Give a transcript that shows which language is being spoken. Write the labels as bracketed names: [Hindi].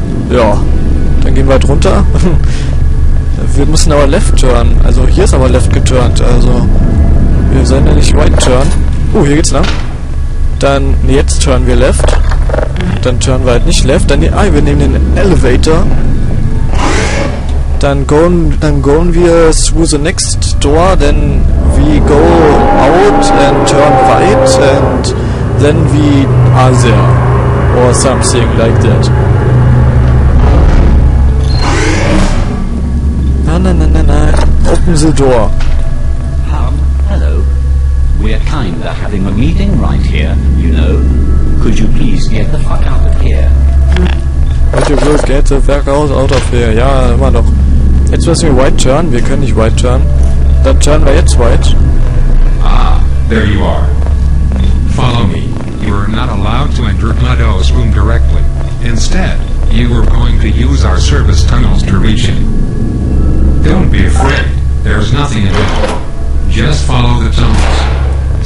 [German] Ja. Dann gehen wir drunter. Wir müssen aber [English] left turn. [German] Also hier ist aber left geturnt. Also wir sollen ja nicht [English] right turn. [German] Hier geht's lang. Dann jetzt turn wir left. Dann turn wir halt nicht left. Dann wir nehmen den Elevator. Dann gehen wir [English] through the next door, then we go out and turn right and then we are there or something like that. Nein. Open the door. Hello. We're kinda having a meeting right here, you know. Could you please get the fuck out of here? Could you please get the fuck out of here? [German] Ja, immer noch. Jetzt müssen wir [English] white turn, [German] wir können nicht white turn. Dann turnen wir jetzt white. [English] Ah, there you are. follow me. You are not allowed to enter Gladow's room directly. Instead, you are going to use our service tunnels to reach him. Don't be afraid. There's nothing at all. Just follow the tunnels.